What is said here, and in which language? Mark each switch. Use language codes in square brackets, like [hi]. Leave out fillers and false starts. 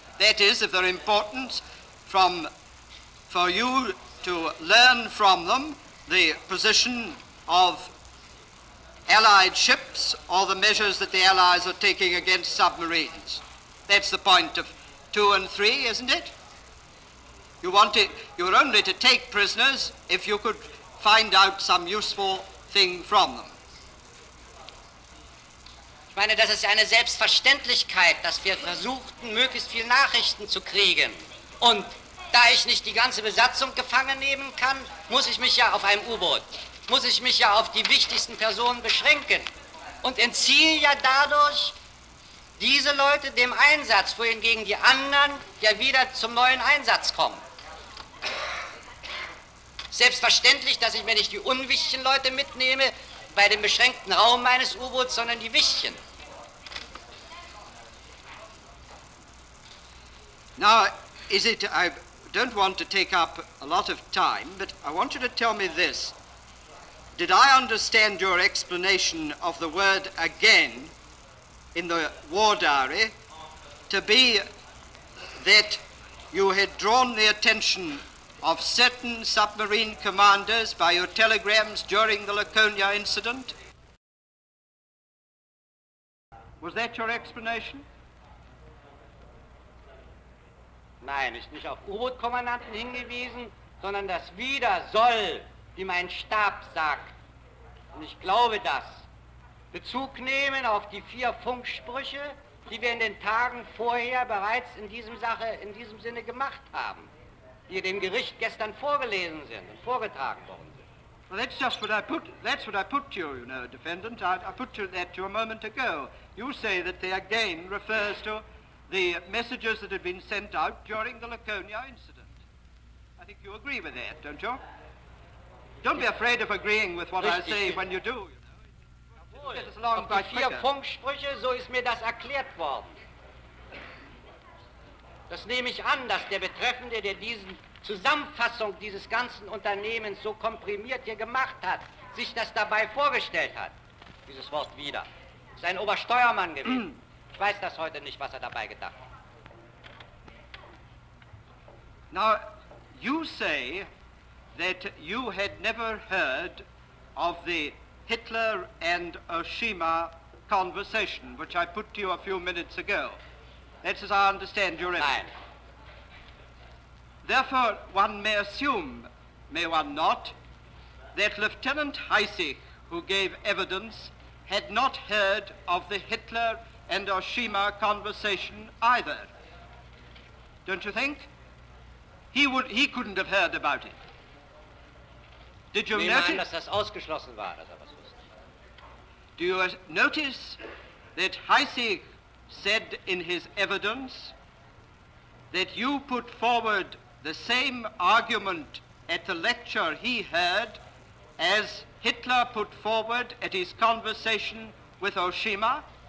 [en] That is, if they're important for you to learn from them the position of Allied ships or the measures that the Allies are taking against submarines. That's the point of 2 and 3, isn't it? You're only to take prisoners if you could find out some useful thing from them. [de] Ich meine, das ist eine Selbstverständlichkeit, dass wir versuchten, möglichst viel Nachrichten zu kriegen. Und da ich nicht die ganze Besatzung gefangen nehmen kann, muss ich mich ja auf die wichtigsten Personen beschränken und entziehe ja dadurch diese Leute dem Einsatz, wohingegen die anderen ja wieder zum neuen Einsatz kommen. Selbstverständlich, dass ich mir nicht die unwichtigen Leute mitnehme bei dem beschränkten Raum meines U-Boots, sondern die wichtigen. [en] Now, is it, I don't want to take up a lot of time, but I want you to tell me this. Did I understand your explanation of the word again in the war diary to be that you had drawn the attention of certain submarine commanders by your telegrams during the Laconia incident? Was that your explanation? [de] Nein, ich nicht auf U-Boot-Kommandanten hingewiesen, sondern das wieder soll, wie mein Stab sagt. Und ich glaube das. Bezug nehmen auf die 4 Funksprüche, die wir in den Tagen vorher bereits in diesem Sinne gemacht haben, die dem Gericht gestern vorgelesen sind und vorgetragen worden sind. [en] Well, that's what I put to you, defendant. I put to that to you a moment ago. You say that the again refers to the messages that had been sent out during the Laconia incident. I think you agree with that, don't you? Don't be afraid of agreeing with what I say when you do. [de] Jawohl, vier Funksprüche, so ist mir das erklärt worden. Das nehme ich an, dass der Betreffende, der diesen Zusammenfassung dieses ganzen Unternehmens so komprimiert hier gemacht hat, sich das dabei vorgestellt hat. Dieses Wort wieder. Ist ein Obersteuermann gewesen. Ich weiß das heute nicht, was er dabei gedacht hat. [en] Now, you say that you had never heard of the Hitler and Oshima conversation, which I put to you a few minutes ago. That's as I understand your evidence. [de] Nein. [en] Therefore, one may assume, may one not, that Lieutenant Heisig, who gave evidence, had not heard of the Hitler and Oshima conversation either. Don't you think? He couldn't have heard about it. Did you notice? [de] Nein, dass das ausgeschlossen war, dass er was wusste. [en] Do you notice that Heisig said in his evidence that you put forward the same argument at the lecture he heard as Hitler put forward at his conversation with Oshima?